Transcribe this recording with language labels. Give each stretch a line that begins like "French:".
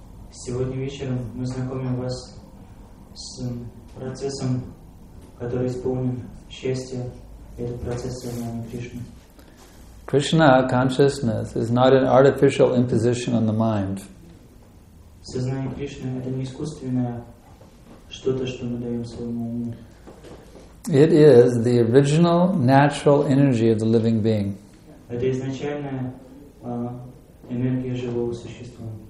Russian: Сегодня вечером мы знакомим вас с процессом, который исполнен счастье. Это процесс сознания Кришны.
English: Krishna consciousness is not an artificial imposition on the mind.
Russian: Сознание Кришны это не искусственное что-то, что мы даем своему уму.
English: It is the original natural energy of the living being.
Russian: Это изначальная энергия живого существа.